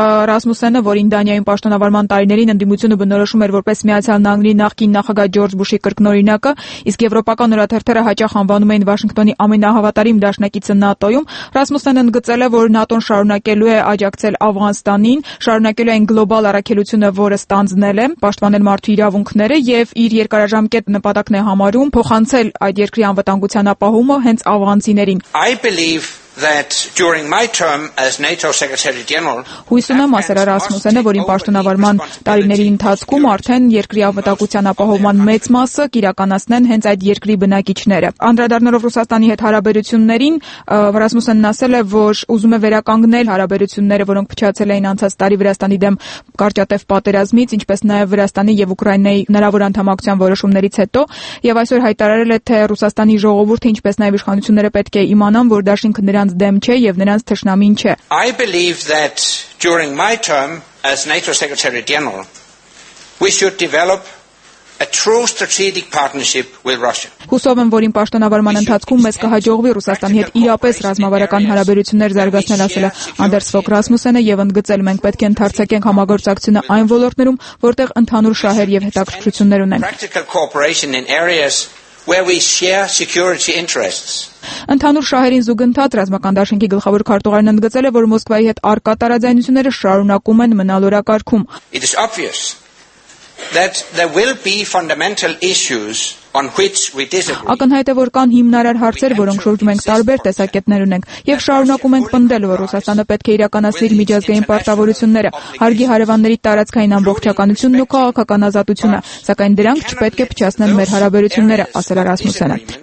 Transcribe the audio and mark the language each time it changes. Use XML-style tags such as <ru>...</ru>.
<hy>Ռասմուսենը, որին Դանիայում պաշտոնավարման տարիներին ընդդիմությունը բնորոշում էր որպես Միացյալ Նահանգների նախկին նախագահ Ջորջ Բուշի կրկնօրինակը, իսկ եվրոպական օրաթերթերը հաճախ անվանում էին Վաշինգտոնի ամենահավատարիմ դաշնակիցը ՆԱՏՕ-ում, Ռասմուսենը ընդգծել է, որ ՆԱՏՕ-ն շարունակելու է աջակցել Աֆղանստանին, շարունակելու է այն գլոբալ առաքելությունը, որը ստանձնել է, պաշտպանել մարդու իրավունքները, և իր երկարաժամկետ նպատակն է համարում փոխանցել այդ երկրի անվտանգության ապահումը հենց աֆղանցիներին։</hy> <en>That during my term as NATO Secretary General,</en> <hy>հույսում եմ, ասել Ռասմուսենը, որ իմ պաշտոնավարման տարիների ընթացքում արդեն երկրի անվտանգության ապահովման մեծ մասը կիրականացնեն հենց այդ երկրի բնակիչները։ Անդրադառնալով Ռուսաստանի հետ հարաբերություններին, Ռասմուսենն ասել է, որ ուզում է վերականգնել հարաբերությունները, որոնք փչացել էին անցած տարի Վրաստանի դեմ կարճատև պատերազմից, ինչպես նաև Վրաստանի և Ուկրաինայի հնարավոր անդամակցության որոշումներից հետո, և այսօր հայտարարել է, թե Ռուսաստանի ժողովուրդը, ինչպես նաև իշխանությունները, պետք է իմանան, որ դաշինքը նրանց դեմ չէ և նրանց թշնամին չէ։</hy> <en>I believe that during my term as NATO Secretary General, we should develop a true strategic partnership with Russia.</en> <hy>Հուսով եմ, որ իմ պաշտոնավարման ընթացքում մեզ կհաջողվի Ռուսաստանի հետ իրապես ռազմավարական հարաբերություններ զարգացնել, ասել է Անդերս Ֆոգ Ռասմուսենը, և ընդգծել, մենք պետք է ընդարձակենք համագործակցությունը այն ոլորտներում, որտեղ ընդհանուր շահեր և հետաքրքրություններ ունենք։</hy> <en>where we share security interests.</en> <hy>Ընդհանուր շահերին զուգընթաց ռազմական դաշնքի գլխավոր քարտուղարն ընդգծել է, որ Մոսկվայի հետ արկատարաձայնությունները շարունակում են մնալ օրակարգում.</hy> <en>It is obvious that there will be fundamental issues on which we disagree.</en> <hy>Ակնհայտ է, որ կան հիմնարար հարցեր, որոնք շուրջում ենք տարբեր տեսակետներ ունենք, և շարունակում ենք պնդել, որ Ռուսաստանը պետք է իրականացնի միջազգային պարտավորությունները, հարգի հարևանների տարածքային ամբողջականությունն ու քաղաքական ազատությունը, սակայն դրանք չպետք է փչացնեն մեր հարաբերությունները, ասել է Ռասմուսենը.</hy>